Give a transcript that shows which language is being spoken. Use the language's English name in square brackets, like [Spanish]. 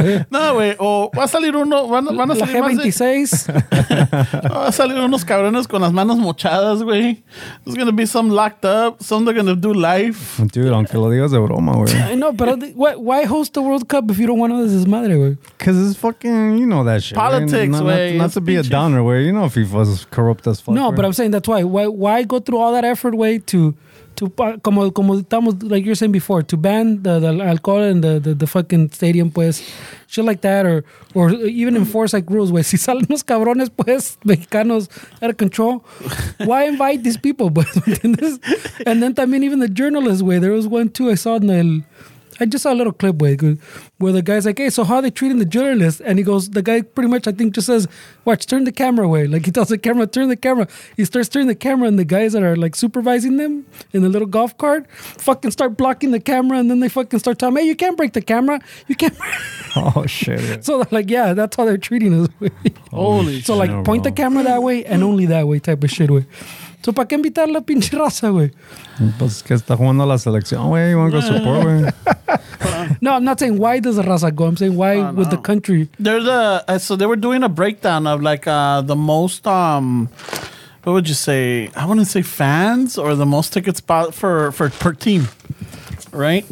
[Spanish] No, güey, o va a salir uno, van a salir más. La G26. Va a salir unos cabrones con las manos mochadas, güey. [English] There's gonna be some locked up. Some they're gonna do life. [Spanish] Dude, aunque lo digas de broma, güey. [English] I know, but why host the World Cup if you don't want to lose his madre, güey? Because it's fucking, you know that shit. Politics, güey. Not to be a downer, güey. You know FIFA's corrupt as fuck. [Spanish] No, [English] right? But I'm saying that's why. Why go through all that effort, güey, to [Spanish] como estamos, [English] like you were saying before, to ban the alcohol and the fucking stadium, pues. Shit like that, or even enforce like rules, güey. [Spanish] Si salen los cabrones, pues, mexicanos, [English] out of control. Why invite these people, pues? [Spanish] ¿Entiendes? [English] And then también even the journalists, güey. There was one, too, I just saw a little clip, güey, where the guy's like, hey, so how are they treating the journalists? And he goes, the guy pretty much, I think, just says, watch, turn the camera away. Like, he tells the camera, turn the camera. He starts turning the camera, and the guys that are, like, supervising them in the little golf cart fucking start blocking the camera, and then they fucking start telling him, hey, you can't break the camera. You can't. Oh, shit. Yeah. So they're like, yeah, that's how they're treating us. Holy so, like, shit, point bro. The camera that way and only that way type of shit, way. [Spanish] So, ¿para qué invitar la pinche raza, güey? Pues que está jugando la selección, güey. [English] You want to go support, [Spanish] güey? [English] No, I'm not saying why does the raza go. I'm saying why with the country. So, they were doing a breakdown of, like, the most, what would you say? I want to say fans or the most tickets bought for per team, right?